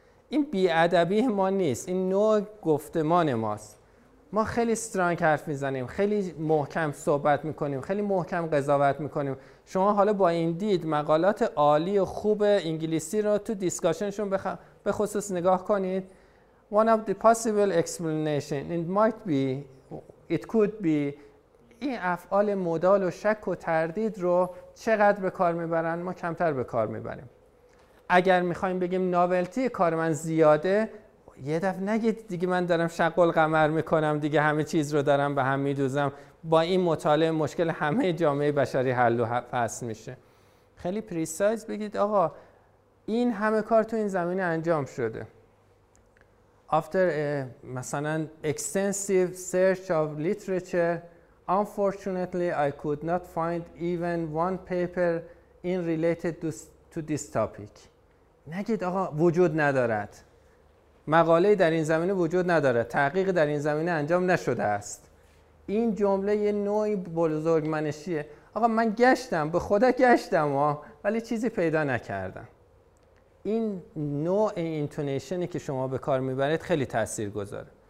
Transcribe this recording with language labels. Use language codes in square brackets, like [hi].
[fa] این بی‌ادبی ما نیست، این نوع گفتمان ماست. ما خیلی استرانگ حرف میزنیم، خیلی محکم صحبت میکنیم، خیلی محکم قضاوت میکنیم. شما حالا با این دید مقالات عالی و خوب انگلیسی رو تو دیسکاشنشون به خصوص نگاه کنید. [en] One of the possible explanation, it might be, it could be. [fa] این افعال مدال و شک و تردید رو چقدر به کار میبرن؟ ما کمتر به کار میبریم. اگر میخواییم بگیم نابلتی کار من زیاده، یه دفعه نگید دیگه من دارم شق القمر میکنم دیگه، همه چیز رو دارم به هم میدوزم. با این مطالعه مشکل همه جامعه بشری حل و فصل میشه. خیلی پریسایز بگید آقا این همه کار تو این زمینه انجام شده. [en] After [fa] مثلا [en] extensive search of literature, unfortunately I could not find even one paper in related to this topic. [fa] نگید آقا وجود ندارد، مقاله در این زمینه وجود ندارد، تحقیق در این زمینه انجام نشده است. این جمله یه نوعی بزرگمنشیه. آقا من گشتم، به خدا گشتم ولی چیزی پیدا نکردم. این نوع اینتونیشنی که شما به کار میبرید خیلی تأثیر گذاره.